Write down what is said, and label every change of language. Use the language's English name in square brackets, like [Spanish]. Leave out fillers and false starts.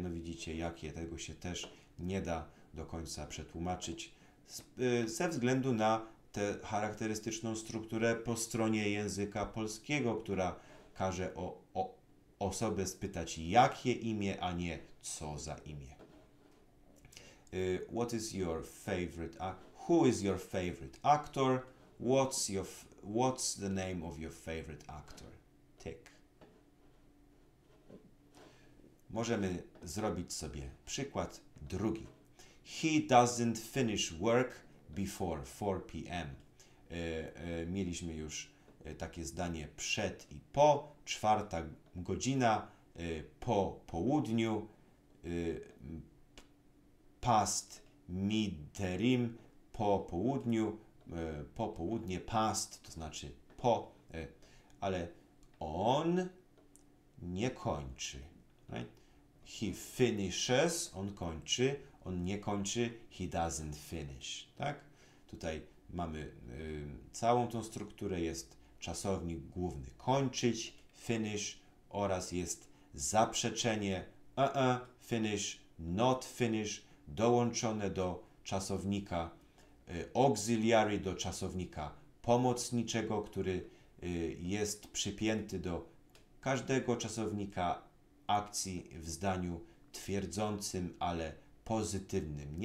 [Polish] No widzicie, jakie, tego się też nie da do końca przetłumaczyć ze względu na tę charakterystyczną strukturę po stronie języka polskiego, która każe o osobę spytać, jakie imię, a nie co za imię. [English] What is your favorite who is your favorite actor? What's the name of your favorite actor? Tick. [Polish] Możemy zrobić sobie przykład drugi. [English] He doesn't finish work before 4 p.m. [Polish] Mieliśmy już takie zdanie przed i po. Czwarta godzina po południu, past midterim, po południu, po południe, past, to znaczy po, ale on nie kończy. [English] Right? He finishes, [Polish] on kończy, on nie kończy, [English] he doesn't finish. [Polish] Tak? Tutaj mamy całą tą strukturę, jest czasownik główny kończyć, finish, oraz jest zaprzeczenie finish, not finish, dołączone do czasownika auxiliary, do czasownika pomocniczego, który jest przypięty do każdego czasownika akcji w zdaniu twierdzącym, ale pozytywnym.